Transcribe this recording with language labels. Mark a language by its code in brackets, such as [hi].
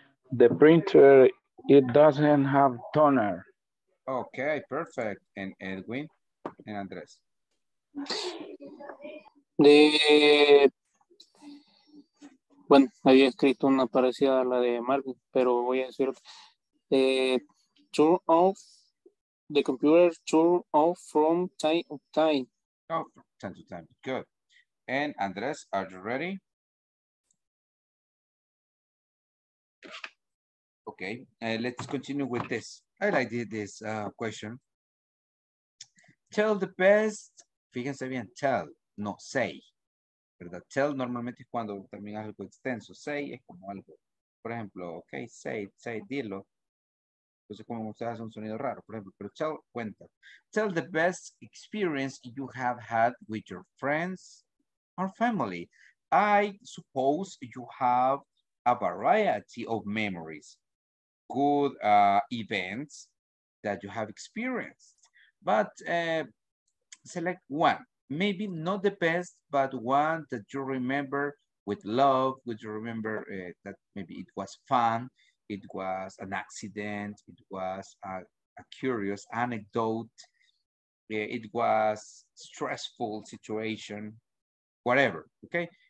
[en] The printer, it doesn't have toner. Okay, perfect. And Edwin and Andres. The... [es] Bueno, había escrito una parecida a la de Marvin, pero voy a decir... [en] turn off, the computer turn off from time to time. Oh, from time to time, good. And Andres, are you ready? Okay, let's continue with this. I like this question. Tell the best, [es] fíjense bien, [en] tell, no, say. [es] ¿Verdad? Tell normalmente es cuando terminas algo extenso. Say es como algo. Por ejemplo, ok, say, dilo. Entonces, como ustedes hacen un sonido raro, por ejemplo, pero tell, cuenta. [en] Tell the best experience you have had with your friends or family. I suppose you have a variety of memories, good events that you have experienced. But select one. Maybe not the best, but one that you remember with love, which you remember that maybe it was fun, it was an accident, it was a curious anecdote, it was stressful situation, whatever, okay?